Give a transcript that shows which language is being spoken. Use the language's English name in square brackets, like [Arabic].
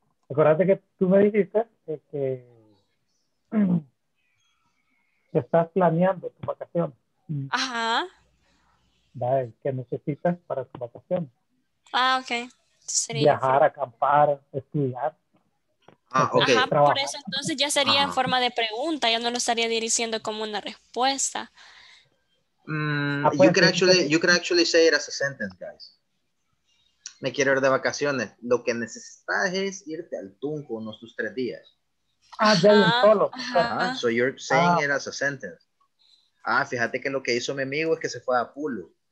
[Spanish] Acuérdate que tú me dijiste que estás planeando tu vacación. Ajá. Vale, ¿qué necesitas para tu vacación? Ah, ok. Sería viajar, acampar, estudiar. [English] Ah, okay. [Spanish] Ajá, por eso entonces ya sería en forma de pregunta, ya no lo estaría diciendo como una respuesta. [English] You can actually say it as a sentence, guys. [Spanish] Me quiero ir de vacaciones. Lo que necesitas es irte al Tunco unos 2-3 días. [English] So you're saying it as a sentence. [Spanish] Ah, fíjate que lo que hizo mi amigo es que se fue a Pulo.